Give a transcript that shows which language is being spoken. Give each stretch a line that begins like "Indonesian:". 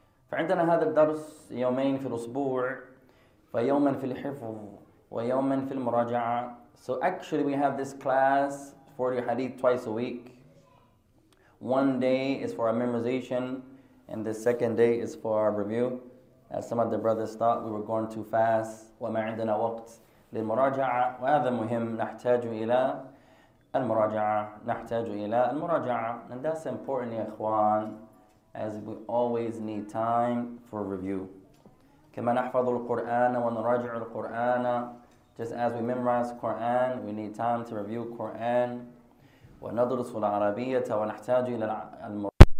Arabic: فعندنا هذا الدرس يومين في الأسبوع فيوما في الحفظ ويوما في المراجعة.
English: So actually we have this class 40 hadith twice a week. One day is for our memorization and the second day is for our review. As some of the brothers thought we were going too fast.
Arabic: وما عندنا وقت للمراجعة وهذا مهم نحتاج إلى المراجعة نحتاج إلى المراجعة.
English: And that's important,
Arabic: يا إخوان,
English: as we always need time for review.
Arabic: كما نحفظ القرآن ونراجع القرآن.
English: Just as we memorize Quran, we need time to review Quran.
Arabic: وندرس العربية ونحتاج إلى المراجعة.